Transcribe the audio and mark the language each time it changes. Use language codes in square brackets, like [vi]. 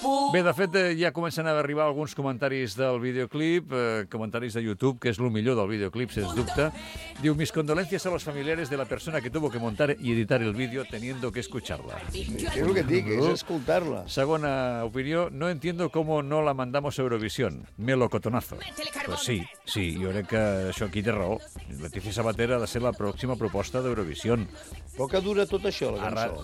[ca] Bé, de fet, ja comencen a arribar alguns comentaris del videoclip, comentaris de YouTube, que és el millor del videoclip, sens dubte. [es] Diu, mis condolencias a los familiares de la persona que tuvo que montar y editar el vídeo teniendo que escucharla. [ca] Sí, és el que dic, és escoltar-la. Segona opinió, [es] no entiendo cómo no la mandamos a Eurovisión. Melocotonazo. [ca] Pues sí, sí, jo crec que això aquí té raó. Letizia Sabater ha de ser la pròxima proposta d'Eurovisión. Però que dura tot això, la cançó?